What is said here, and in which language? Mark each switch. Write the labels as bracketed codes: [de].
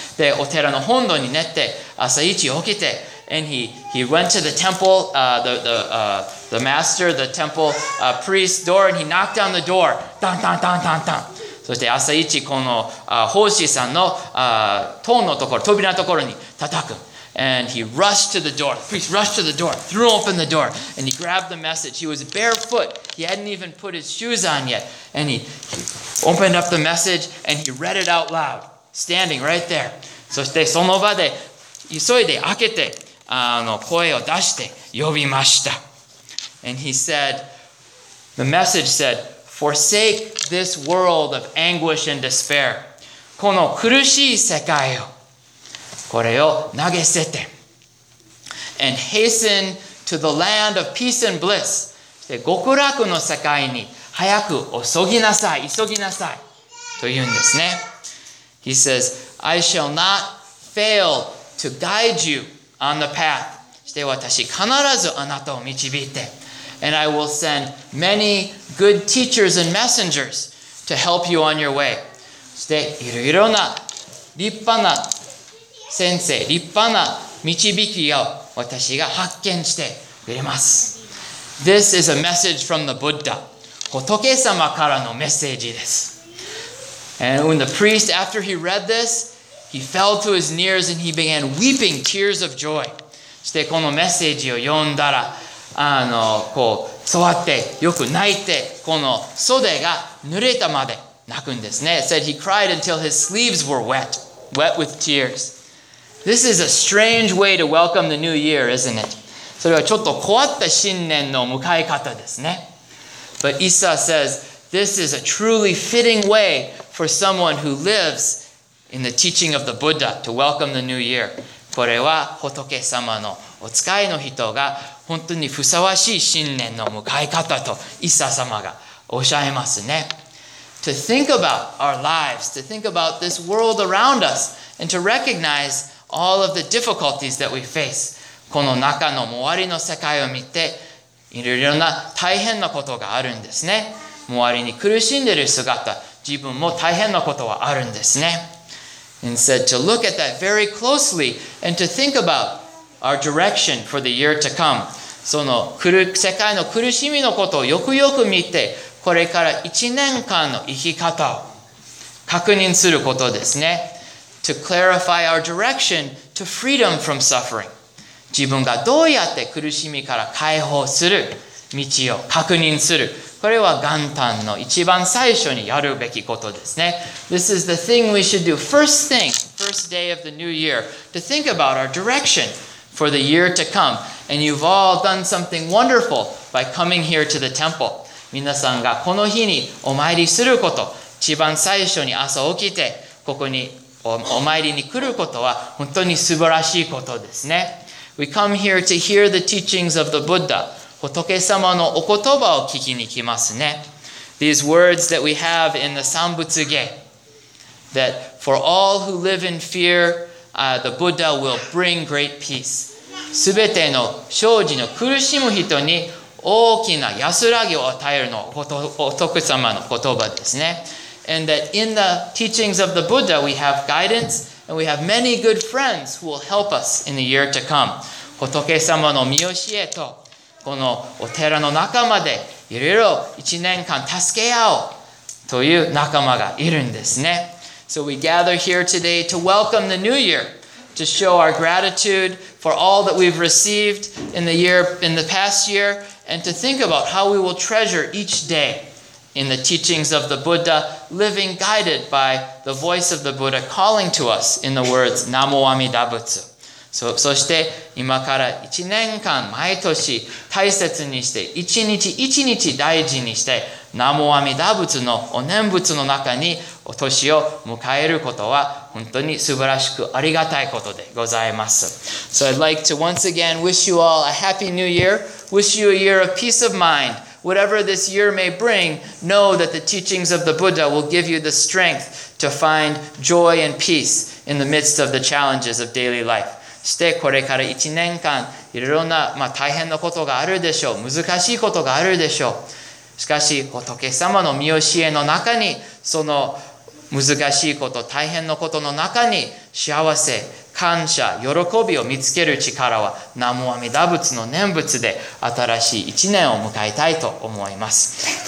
[ja] で、お寺の本堂に寝て、朝一起きて、 [en] and he went to the temple, the master, the temple, priest door, and he knocked on the door. [ja] ダンダンダンダンダン。そして朝一この、奉仕さんの、塔のところ、扉のところに叩く。 [en] And he rushed to the door. The priest rushed to the door, threw open the door, and he grabbed the message. He was barefoot. He hadn't even put his shoes on yet. And he opened up the message, and he read it out loud, standing right there. [ja] そしてその場で急いで開けて声を出して呼びました。 [en] And he said, the message said, forsake this world of anguish and despair. [ja] この苦しい世界をこれを投げ捨てて [en] and hasten to the land of peace and bliss. [ja] で極楽の世界に早く急ぎなさいというんですね。 [en] He says, I shall not fail to guide you on the path. [ja] して私必ずあなたを導いて [en] And I will send many good teachers and messengers to help you on your way. [ja] そしていろいろな立派な先生、立派な導きを私が発見してくれます。 [en] This is a message from the Buddha. [ja] 仏様からのメッセージです。 [en] And when the priest, after he read this, he fell to his knees and he began weeping tears of joy. [ja] そしてこのメッセージを読んだら、こう座ってよく泣いてこの袖が濡れたまで泣くんですね。 [en] It said he cried until his sleeves were wet with tears. This is a strange way to welcome the new year, isn't it? [ja] それはちょっと変わった新年の迎え方ですね。 [en] But Issa says, this is a truly fitting way for someone who lives in the teaching of the Buddha to welcome the new year. [ja] これは仏様のお使いの人が本当にふさわしい新年の迎え方とイッサ様がおっしゃいますね。 [en] To think about our lives, to think about this world around us, and to recognize all of the difficulties that we face. [ja] この中の周りの世界を見て、いろいろな大変なことがあるんですね。周りに苦しんでいる姿、自分も大変なことはあるんですね。 [en] And said to look at that very closely and to think aboutOur direction for the year to come. [ja] その世界の苦しみのことをよくよく見て、これから一年間の生き方を確認することですね。 [en] To clarify our direction to freedom from suffering. [ja] 自分がどうやって苦しみから解放する道を確認する。これは元旦の一番最初にやるべきことですね。 [en] This is the thing we should do. First thing, first day of the new year, to think about our direction. For the year to come. And you've all done something wonderful by coming here to the temple. [ja] 皆さんがこの日にお参りすること、一番最初に朝起きてここにお参りに来ることは本当に素晴らしいことですね。 [en] We come here to hear the teachings of the Buddha. [ja] 仏様のお言葉を聞きに来ますね。 [en] These words that we have in the Sambutsuge, that for all who live in fear,the Buddha will bring great peace. [ja] すべての生死の苦しむ人に大きな安らぎを与えるのお徳様の言葉ですね。 [en] And that in the teachings of the Buddha, we have guidance and we have many good friends who will help us in the year to come. [ja] 仏様の御教えとこのお寺の仲間でいろいろ一年間助け合おうという仲間がいるんですね。 [en] So we gather here today to welcome the new year, to show our gratitude for all that we've received in the past year, and to think about how we will treasure each day in the teachings of the Buddha, living guided by the voice of the Buddha calling to us in the words, Namo Amida Butsu. [ja] そして今から一年間毎年大切にして一日大事にして南無阿弥陀仏のお念仏の中にお年を迎えることは本当に素晴らしくありがたいことでございます。 [en] So I'd like to once again wish you all a happy new year. Wish you a year of peace of mind. Whatever this year may bring, know that the teachings of the Buddha will give you the strength to find joy and peace in the midst of the challenges of daily life. [ja] してこれから一年間いろいろな、大変なことがあるでしょう。難しいことがあるでしょう。しかし仏様の御教えの中にその難しいこと大変なことの中に幸せ感謝喜びを見つける力は南無阿弥陀仏の念仏で新しい一年を迎えたいと思います。